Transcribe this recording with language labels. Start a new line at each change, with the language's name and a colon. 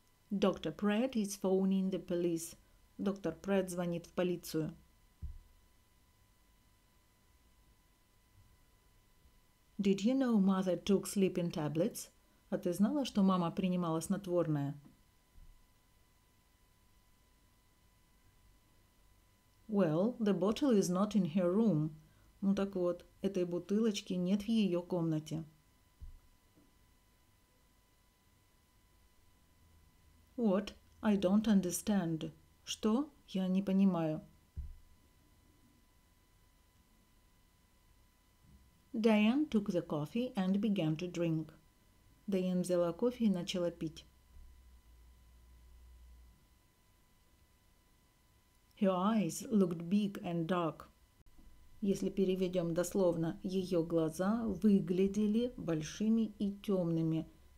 English: Dr. Pratt is phoning the police.
Russian: Доктор Пратт звонит в полицию.
English: Did you know mother took sleeping tablets?
Russian: А ты знала, что мама принимала снотворное?
English: Well, the bottle is not in her room.
Russian: Ну так вот, этой бутылочки нет в ее комнате.
English: What? I don't understand.
Russian: Что? Я не понимаю.
English: Diane took the coffee and began to drink.
Russian: Diane взяла кофе и начала пить.
English: Her eyes looked big and dark.
Russian: Если переведем дословно, ее глаза выглядели большими и темными.